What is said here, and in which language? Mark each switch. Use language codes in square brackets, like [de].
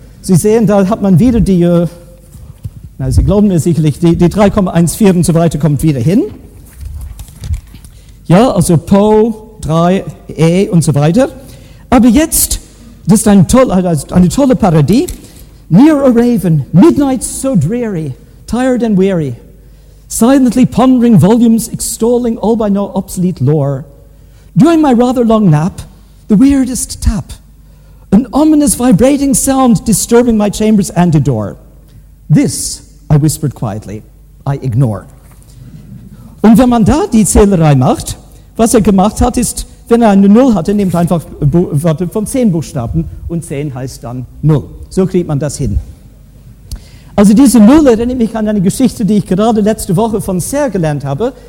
[de] Sie sehen, da hat man wieder die, na, Sie glauben mir sicherlich, die 3,14 und so weiter kommt wieder hin. Ja, also Po, 3e und so weiter. Aber jetzt, das ist eine tolle Parodie. [en] Near a raven, midnight so dreary, tired and weary, silently pondering volumes, extolling all by no obsolete lore. During my rather long nap, the weirdest tap, an ominous vibrating sound disturbing my chambers and a door. This, I whispered quietly, I ignore. [de] Und wenn man da die Zählerei macht, was er gemacht hat, ist, wenn er eine Null hatte, nimmt einfach Worte von 10 Buchstaben und 10 heißt dann Null. So kriegt man das hin. Also diese Null erinnert mich an eine Geschichte, die ich gerade letzte Woche von Ser gelernt habe.